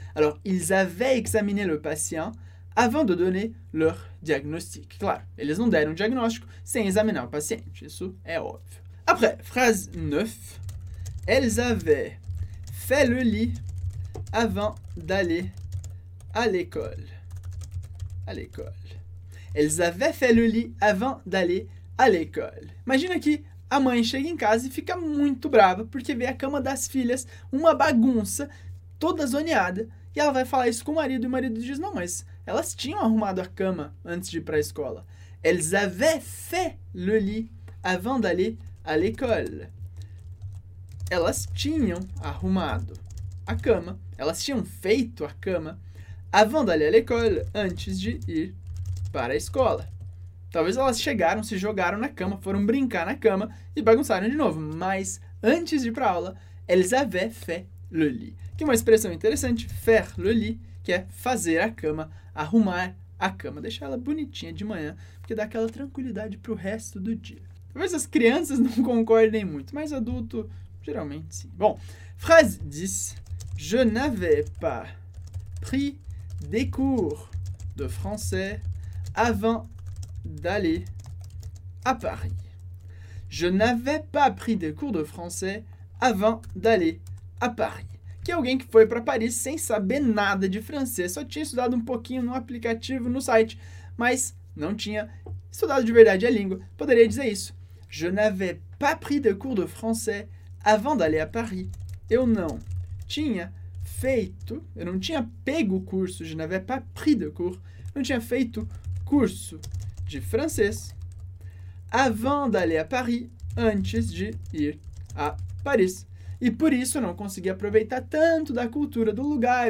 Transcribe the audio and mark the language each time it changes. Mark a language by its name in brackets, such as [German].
[French] Alors, ils avaient examiné le patient avant de donner leur diagnostic. [Portuguese] Claro, eles não deram o diagnóstico sem examinar o paciente, isso é óbvio. [French] Après, phrase 9. Elles avaient fait le lit avant d'aller à l'école. À l'école. Elles avaient fait le lit avant d'aller à l'école. [Portuguese] Imagina que a mãe chega em casa e fica muito brava porque vê a cama das filhas, uma bagunça, toda zoneada. E ela vai falar isso com o marido e o marido diz, não, mas elas tinham arrumado a cama antes de ir para a escola. [French] Elles avaient fait le lit avant d'aller à l'école. [Portuguese] Elas tinham arrumado a cama, elas tinham feito a cama [French] avant d'aller à l'école, [Portuguese] antes de ir para a escola. Talvez elas chegaram, se jogaram na cama, foram brincar na cama e bagunçaram de novo. Mas, antes de ir para aula, [French] elles avaient fait le lit. [Portuguese] Que é uma expressão interessante, [French] faire le lit, [Portuguese] que é fazer a cama, arrumar a cama, deixar ela bonitinha de manhã, porque dá aquela tranquilidade para o resto do dia. Talvez as crianças não concordem muito, mas adulto, geralmente sim. Bom, phrase 10. [French] Je n'avais pas pris des cours de français avant d'aller à Paris. Je n'avais pas pris des cours de français avant d'aller à Paris. [Portuguese] Que alguém que foi para Paris sem saber nada de francês, só tinha estudado um pouquinho no aplicativo, no site, mas não tinha estudado de verdade a língua, poderia dizer isso. [French] Je n'avais pas pris de cours de français avant d'aller à Paris. [Portuguese] Eu não tinha feito, eu não tinha pego o curso, [French] je n'avais pas pris de cours, [Portuguese] não tinha feito curso de francês [French] avant d'aller à Paris, [Portuguese] antes de ir a Paris. E por isso eu não consegui aproveitar tanto da cultura do lugar.